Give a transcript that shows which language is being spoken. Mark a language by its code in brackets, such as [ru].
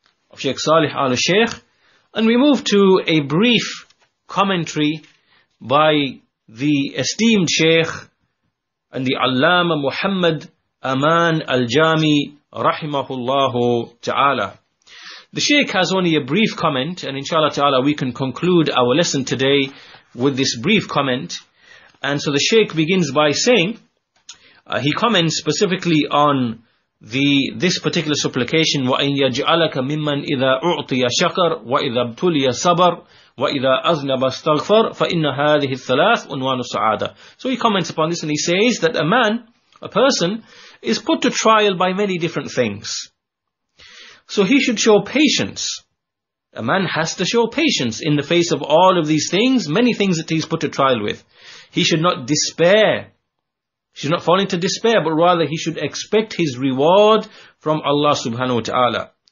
[en] of Sheikh Salih al-Sheikh, and we move to a brief commentary by the esteemed Shaykh and the Allama Muhammad Aman Al-Jami rahimahullahu ta'ala. The Shaykh has only a brief comment, and inshallah ta'ala we can conclude our lesson today with this brief comment. And so the Shaykh begins by saying, he comments specifically on this particular supplication, [ar] وَأَنْ يَجْعَلَكَ مِمَّنْ إِذَا أُعْطِيَ شَكَرْ وَإِذَا ابْتُلِيَ صَبَرْ وَإِذَا أَذْنَبَ اسْتَغْفَرْ فَإِنَّ هَذِهِ الثَّلَاثُ عُنْوَانُ السَّعَادَةِ. [en] So he comments upon this and he says that a person, is put to trial by many different things. So he should show patience. A man has to show patience in the face of all of these things, many things that he's put to trial with. He should not despair. He should not fall into despair, but rather he should expect his reward from Allah subhanahu wa ta'ala.